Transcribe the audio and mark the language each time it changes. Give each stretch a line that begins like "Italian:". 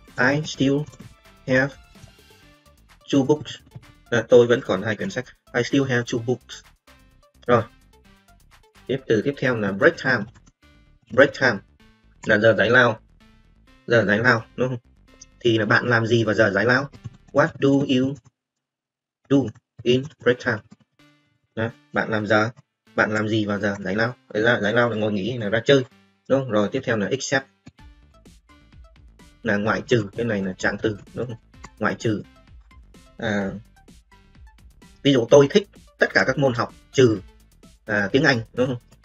English: I still have two books.
Vietnamese: Tôi vẫn còn hai quyển sách.
English: I still have two books.
Vietnamese: Rồi, tiếp từ tiếp theo là break time. Break time là giờ giải lao. Giờ giải lao, đúng không? Thì là bạn làm gì vào giờ giải lao?
English: What do you do in break time?
Vietnamese: Đó. Bạn làm gì vào giờ giải lao? Giải lao là ngồi nghỉ, là ra chơi, đúng không? Rồi, tiếp theo là except, là ngoại trừ. Cái này là trạng từ, đúng không? Ngoại trừ. Ví dụ tôi thích tất cả các môn học trừ tiếng Anh, đúng không?